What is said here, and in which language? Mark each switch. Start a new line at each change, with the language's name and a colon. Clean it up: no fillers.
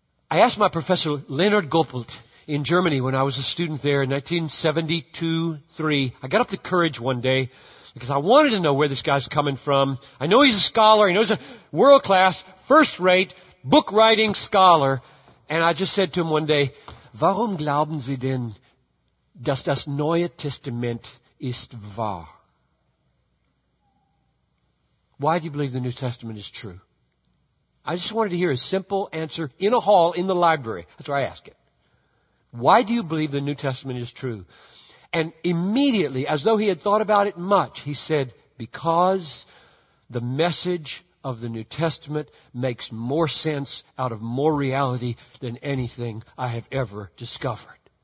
English: I asked my professor, Leonard Goppelt, in Germany when I was a student there in 1972-3. I got up the courage one day because I wanted to know where this guy's coming from. I know he's a scholar. He knows he's a world-class, first-rate, book-writing scholar. And I just said to him one day,
German: warum glauben Sie denn, dass das Neue Testament ist wahr?
English: Why do you believe the New Testament is true? I just wanted to hear a simple answer in a hall in the library. That's where I ask it. Why do you believe the New Testament is true? And immediately, as though he had thought about it much, he said, because the message of the New Testament makes more sense out of more reality than anything I have ever discovered.